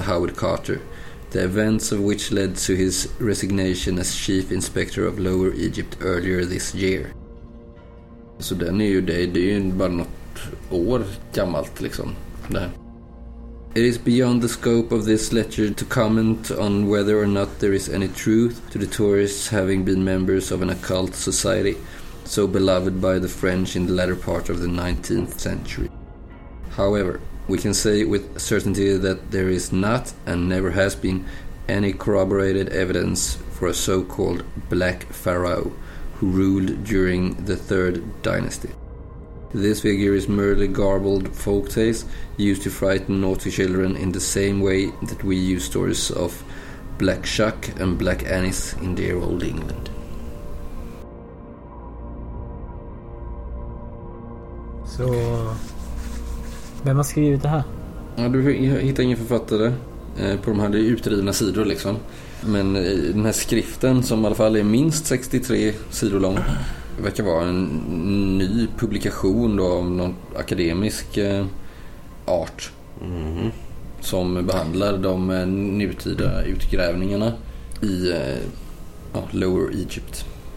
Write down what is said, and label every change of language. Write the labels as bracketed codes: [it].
[en] Howard Carter, the events of which led to his resignation as chief inspector of Lower Egypt earlier this year. [sv] Så den är ju det. Det är ju bara något år gammalt liksom det här. [en] It is beyond the scope of this letter to comment on whether or not there is any truth to the tourists having been members of an occult society so beloved by the French in the latter part of the 19th century. However, we can say with certainty that there is not and never has been any corroborated evidence for a so-called Black Pharaoh who ruled during the Third Dynasty. This figure is merely garbled folk tales used to frighten naughty children in the same way that we use stories of Black Shuck and Black Annis in dear old England. [sv] Så, vem har skrivit det här? Ja, du hittar ingen författare på de här utrivna sidor liksom. Men den här skriften, som i alla fall är minst 63 sidor lång, verkar vara en ny publikation då av någon akademisk art som behandlar de nutida utgrävningarna i Lower Egypt.